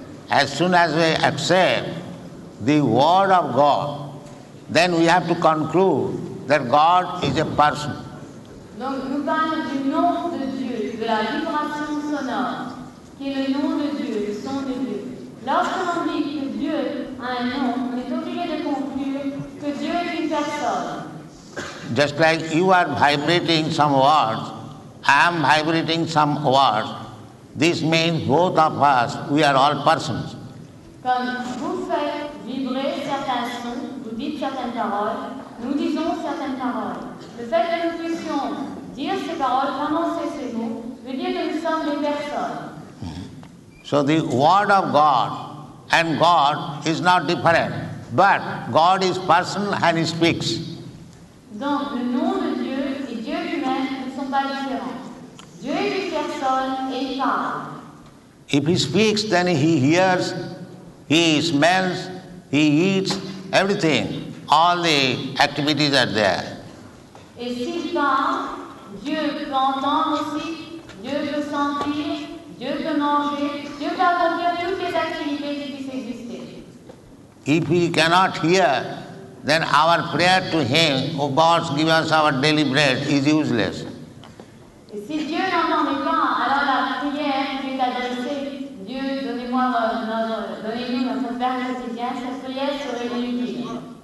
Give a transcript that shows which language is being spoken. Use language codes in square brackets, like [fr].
[en] As soon as we accept the word of God, then we have to conclude that God is a person. [fr] Donc nous parlons du nom de Dieu, de la vibration sonore, qui est le nom de Dieu, le son de Dieu. Lorsque l'on dit que Dieu a un nom, on est obligé de conclure que Dieu est une personne. [en] Just like you are vibrating some words, I am vibrating some words. This means both of us, we are all persons. [fr] Comme vous faites vibrer certains sons, vous dites certaines paroles, nous disons certaines paroles. Le fait que nous puissions dire ces paroles, prononcer ces mots, veut dire que nous sommes des personnes. [en] So the word of God and God is not different, but God is person and he speaks. [fr] Donc le nom de Dieu et Dieu lui-même ne sont pas différents. Dieu est une personne et il parle. [en] If he speaks, then he hears, he smells, he eats, everything. All the activities are there. [fr] Et s'il parle, Dieu peut entendre aussi, Dieu peut sentir, Dieu peut manger, Dieu peut accomplir toutes les activités qui puissent exister. [en] If he cannot hear, then our prayer to him, O God, give us our daily bread, is useless. [fr] Et si Dieu n'entend pas, alors la prière qui est adressée, Dieu, donnez-nous notre pain quotidien, cette prière serait inutile.